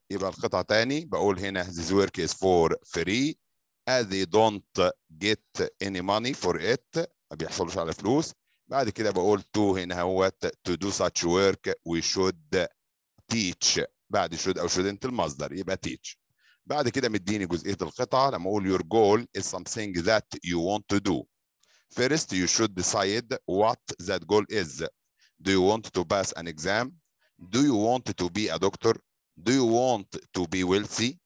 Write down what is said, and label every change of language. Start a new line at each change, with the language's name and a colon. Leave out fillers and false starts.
Arabic: يبقى القطع تاني بقول هنا
English: this work is for free. As they don't get any money for it.
Arabic: ما بيحصلوش على فلوس. بعد كده بقول to هنا هو
English: to do such work. We should teach.
Arabic: بعد should أو shouldn't المصدر يبقى teach. بعد كده مديني جزئية القطعة لما أقول
English: your goal is something that you want to do. First you should decide what that goal is. Do you want to pass an exam? Do you want to be a doctor? Do you want to be wealthy?